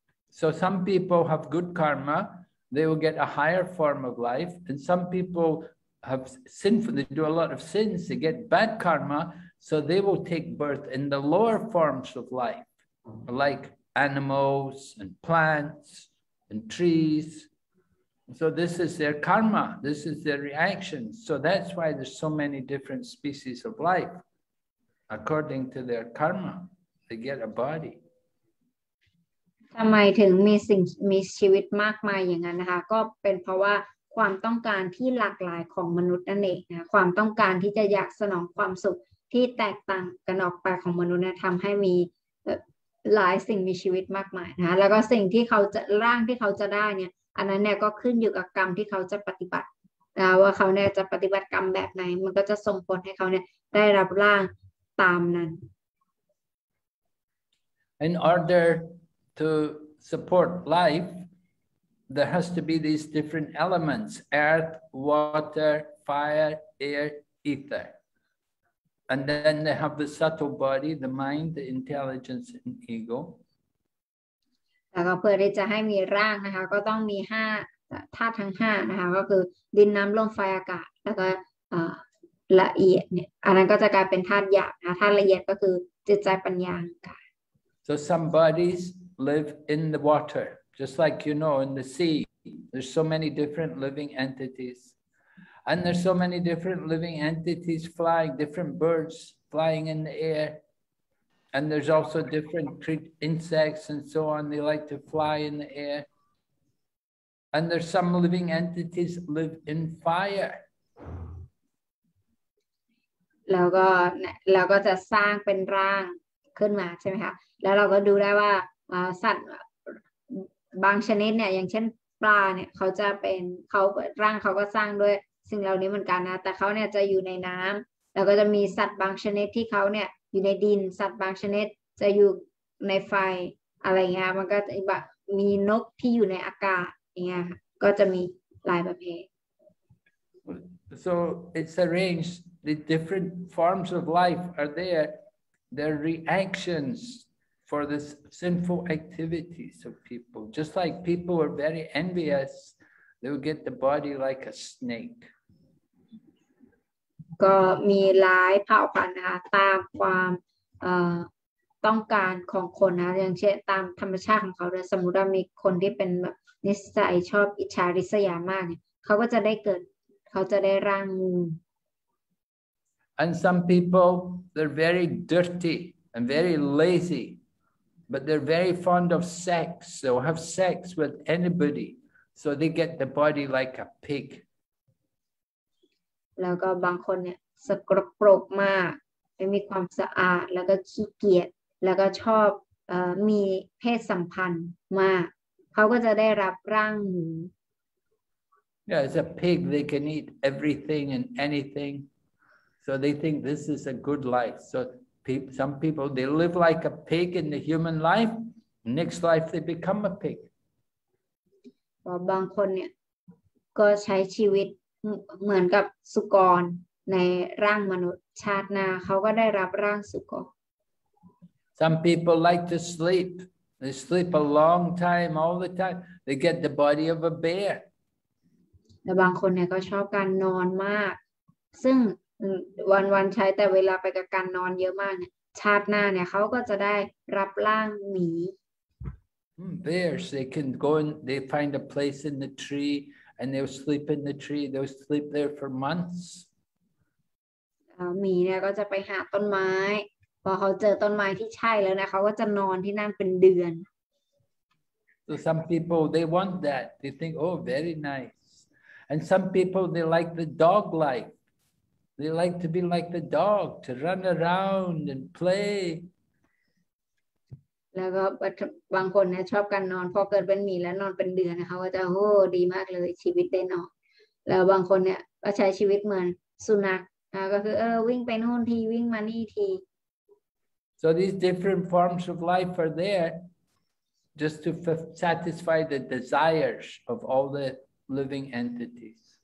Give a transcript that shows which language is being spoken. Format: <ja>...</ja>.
<en>So some people have good karma, they will get a higher form of life, and some people have sinful, they do a lot of sins, they get bad karma, so they will take birth in the lower forms of life, like animals and plants,And trees. So this is their karma. This is their reaction. So that's why there's so many different species of life. According to their karma, they get a body.</en> <th>ทำไมถึงมีสิ่งมีชีวิตมากมายอย่างนั้นนะคะก็เป็นเพราะว่าความต้องการที่หลากหลายของมนุษย์นั่นเองนะความต้องการที่จะอยากสนองความสุขที่แตกต่างกันออกไปของมนุษย์นะทำให้มีหลายสิ่งมีชีวิตมากมายนะแล้วก็สิ่งที่เขาจะร่างที่เขาจะได้เนี่ยอันนั้นเนี่ยก็ขึ้นอยู่กับกรรมที่เขาจะปฏิบัตินะว่าเขาเนี่ยจะปฏิบัติกรรมแบบไหนมันก็จะส่งผลให้เขาเนี่ยได้รับร่างตามนั้น</th> <en>In order to support life there has to be these different elements earth water fire air etherAnd then they have the subtle body, the mind, the intelligence, and ego.</en> <th>แล้วก็เพื่อที่จะให้มีร่างนะคะก็ต้องมีห้าธาตุทั้งห้านะคะก็คือดินน้ำลมไฟอากาศแล้วก็ละเอียดเนี่ยอันนั้นก็จะกลายเป็นธาตุหยาบนะธาตุละเอียดก็คื จิตใจปัญญาค่ะ</th> <en>So some bodies live in the water, just like you know, in the sea. There's so many different living entities, and there's so many different living entities flying, different birds flying in the air, and there's also different insects and so on. They like to fly in the air. And there's some living entities live in fire.</en> <th>แล้วก็จะสร้างเป็นร่างขึ้นมาใช่ไหมคะแล้วเราก็ดูได้ว่าสัตว์บางชนิดเนี่ยอย่างเช่นปลาเนี่ยเขาจะเป็นเขาร่างเขาก็สร้างด้วยสิ่งเหล่านี้เหมือนกันนะแต่เขาเนี่ยจะอยู่ในน้ำแล้วก็จะมีสัตว์บางชนิดที่เขาเนี่ยอยู่ในดินสัตว์บางชนิดจะอยู่ในไฟอะไรเงี้ยมันก็มีนกที่อยู่ในอากาศเงี้ยก็จะมีหลายประเภท</th> <en>so it's arrangedThe different forms of life are there, their reactions for this sinful activities of people. Just like people are very envious, they will get the body like a snake.</en> <th>ก็มีหลายเผ่าพันธุ์นะคะตามความต้องการของคนนะอย่างเช่นตามธรรมชาติของเขาเลยสมมุติว่ามีคนที่เป็นนิสัยชอบอิจฉาริษยามากเนี่ยเขาก็จะได้เกิดเขาจะได้ร่างงู</th> <en>And some people, they're very dirty and very lazy, but they're very fond of sex. They'll have sex with anybody, so they get the body like a pig.</en> <th>แล้วก็บางคนเนี่ยสกปรกมากไม่มีความสะอาดแล้วก็ขี้เกียจแล้วก็ชอบมีเพศสัมพันธ์มากเขาก็จะได้รับร่างหมู</th> <en>Yeah, it's a pig. They can eat everything and anything. So they think this is a good life. So some people, they live like a pig in the human life. Next life, they become a pig.</en> <th>บางคนเนี่ยก็ใช้ชีวิตเหมือนกับสุกรในร่างมนุษย์ชาติหน้าเขาก็ได้รับร่างสุกร</th> <en>Some people like to sleep. They sleep a long time, all the time. They get the body of a bear.</en> <th>บางคนเนี่ยก็ชอบการนอนมากซึ่งวันๆใช้แต่เวลาไปกับการนอนเยอะมากเนี่ยชาติหน้าเนี่ยเขาก็จะได้รับร่างหมี</th> <en>Bears they can go and they find a place in the tree and they'll sleep in the tree they'll sleep there for months</en> <th>หมีเนี่ยก็จะไปหาต้นไม้พอเขาเจอต้นไม้ที่ใช่แล้วนะเขาก็จะนอนที่นั่นเป็นเดือน</th> <en>So some people they want that they think oh very nice and some people they like the dog lifeThey like to be like the dog, to run around and play.</en> <th>แล้วก็บางคนเนี่ยชอบการนอนพอเกิดเป็นหมีแล้วนอนเป็นเดือนเขาก็จะโอ้ดีมากเลยชีวิตได้นอนแล้วบางคนเนี่ยก็ใช้ชีวิตเหมือนสุนัขก็คือวิ่งไปนู่นทีวิ่งมานี่ที</th> <en>So these different forms of life are there just to satisfy the desires of all the living entities.</en>